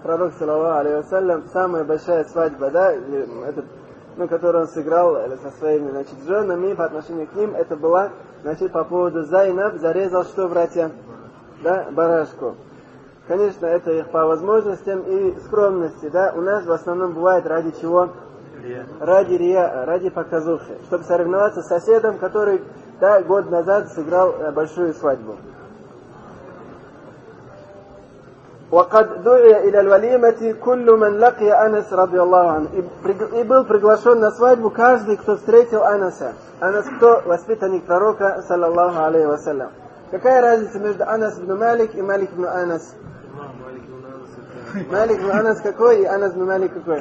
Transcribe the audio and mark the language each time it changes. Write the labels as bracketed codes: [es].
[ru] Пророк, саллаллаху алейхи ва саллям, самая большая свадьба, да, этот, ну, который он сыграл со своими, значит, женами по отношению к ним, это была, значит, по поводу Зайнаб, зарезал что, братья? Да, барашку. Конечно, это их по возможностям и скромности, да, у нас в основном бывает ради чего? Ради рия, ради показухи, чтобы соревноваться с соседом, который, да, год назад сыграл большую свадьбу. [ar] وقد دعي الى الوليمه كل من لقي انس رضي الله عنه. [ru] И был приглашён на свадьбу каждый, кто встретил Анаса. Анас кто? Воспитанник пророка саллаллаху алейхи ва саллям. Какая разница между Анас ибн Малик и Малик ибн Анас? Малик ибн Анас какой и Анас ибн Малик какой?